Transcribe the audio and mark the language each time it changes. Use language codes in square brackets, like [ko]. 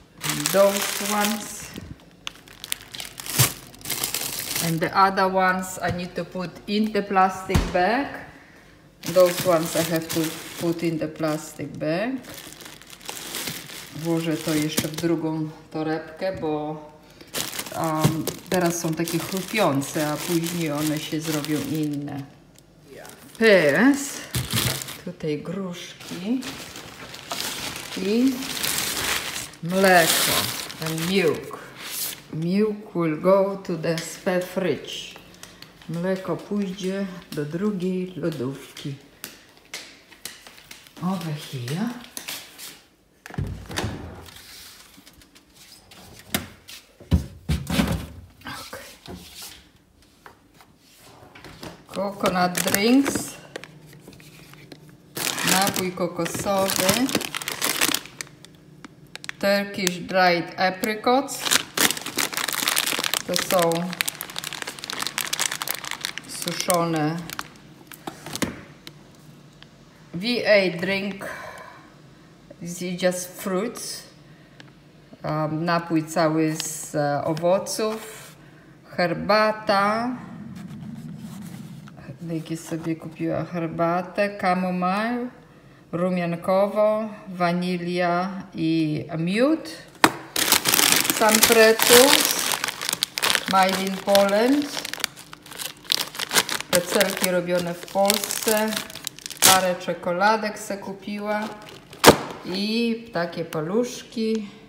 [en] And those ones, and the other ones I need to put in the plastic bag. Those ones I have to put in the plastic bag. [pl] Włożę to jeszcze w drugą torebkę, bo teraz są takie chrupiące, a później one się zrobią inne. [en] Pears, [pl] tutaj gruszki i mleko, [en] and milk. Milk will go to the spare fridge. [pl] Mleko pójdzie do drugiej lodówki. [en] Over here. Coconut drinks, [pl] napój kokosowy, [en] Turkish dried apricots, [pl] to są suszone, [en] VA drink, it's just fruits, [pl] napój cały z owoców, herbata. Niki sobie kupiła herbatę, chamomile, rumiankowo, wanilia i miód. [en] Some pretzels, made in Poland. [pl] Pretzelki robione w Polsce. Parę czekoladek se kupiła. I takie paluszki.